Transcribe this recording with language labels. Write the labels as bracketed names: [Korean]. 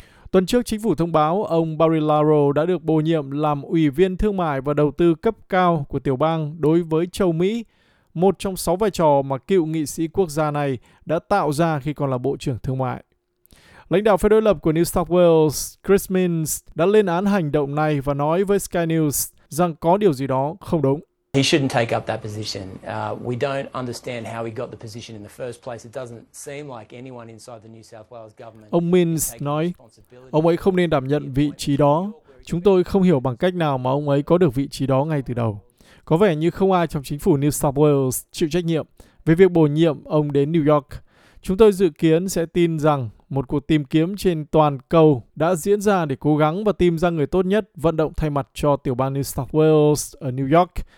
[Vietnamese] Tuần trước, chính phủ thông báo ông Barilaro đã được bổ nhiệm làm ủy viên thương mại và đầu tư cấp cao của tiểu bang đối với châu Mỹ, một trong sáu vai trò mà cựu nghị sĩ quốc gia này đã tạo ra khi còn là bộ trưởng thương mại. Lãnh đạo phe đối lập của New South Wales, Chris Minns, đã lên án hành động này và nói với Sky News rằng có điều gì đó không đúng. [English] He shouldn't take up that position. We don't understand how he got the position in the first place. It doesn't seem like anyone inside the New South Wales government. [Vietnamese] Ông Minns nói, ông ấy không nên đảm nhận vị trí đó. Chúng tôi không hiểu bằng cách nào mà ông ấy có được vị trí đó ngay từ đầu. Có vẻ như không ai trong chính phủ New South Wales chịu trách nhiệm về việc bổ nhiệm ông đến New York. Chúng tôi dự kiến sẽ tin rằng một cuộc tìm kiếm trên toàn cầu đã diễn ra để cố gắng và tìm ra người tốt nhất vận động thay mặt cho tiểu bang New South Wales ở New York.